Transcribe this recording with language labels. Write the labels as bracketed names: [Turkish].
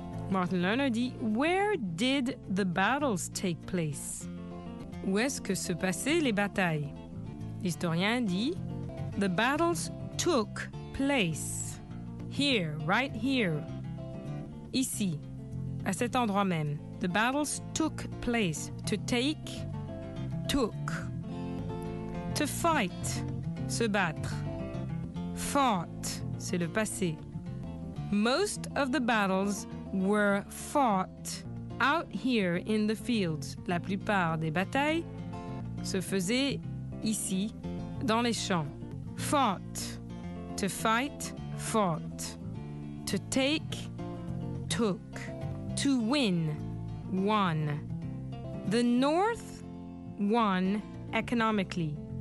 [English] Martin Lerner dit, Where did the battles take place? [French] Où est-ce que se passaient les batailles? L'historien dit, [English] The battles took place. Here, right here. [French] Ici, à cet endroit même. [English] The battles took place. To take, took. To fight, [French] se battre. Fought, c'est le passé. [English] Most of the battles were fought out here in the fields. [French] La plupart des batailles se faisaient ici, dans les champs. [English] Fought, to fight, fought. To take, took. To win, won. The North won economically.